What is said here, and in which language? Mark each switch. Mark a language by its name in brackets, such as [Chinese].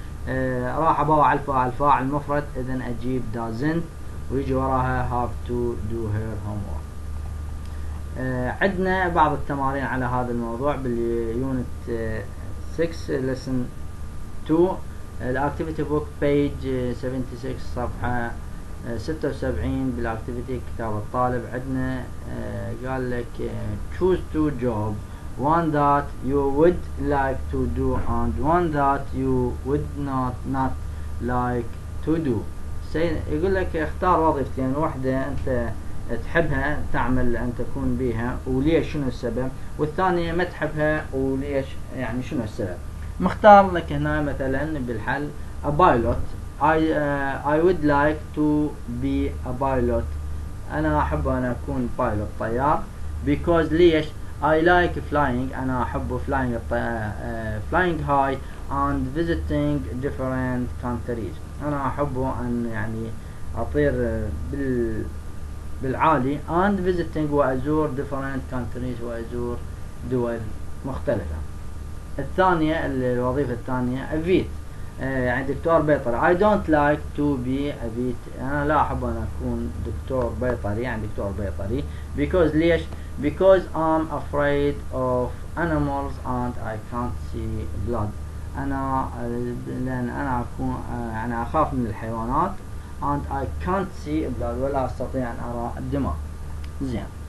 [Arabic] راح أضع على الفاعل المفرد إذا أجيب doesn't ويجي وراها [English] have to do her homework. [Arabic] عندنا بعض التمارين على هذا الموضوع باليونت 6 lesson 2 الاكتيفيتي بوك بيج 76 صفحة 76 بالاكتيفيتي كتاب الطالب. عندنا قال لك [English] choose two jobs one that you would like to do and one that you would not like to do. [Arabic] يقول لك اختار وظيفتين، واحدة انت تحبها تعمل ان تكون بها وليش شنو السبب، والثانية ما تحبها وليش يعني شنو السبب. مختار لك هنا مثلا بالحل a pilot. [English] I would like to be a pilot. [Arabic] أنا أحب أن أكون pilot طيار. [English] Because [Arabic] ليش؟ [English] I like flying. [Arabic] أنا أحب [English] flying flying high and visiting different countries. [Arabic] أنا أحب أن يعني أطير بالعالي [English] and visiting [Arabic] وأزور [English] different countries [Arabic] وأزور دول مختلفة. الثانية الوظيفة الثانية أفيد. يعني دكتور بيطري. [English] I don't like to be a vet. [Arabic] أنا لا أحب أن أكون دكتور بيطري يعني دكتور بيطري. [English] Because [Arabic] ليش؟ [English] Because I'm afraid of animals and I can't see blood. [Arabic] أنا لأن أنا أكون يعني أخاف من الحيوانات [English] and I can't see blood [Arabic] ولا أستطيع أن أرى الدماء. زين.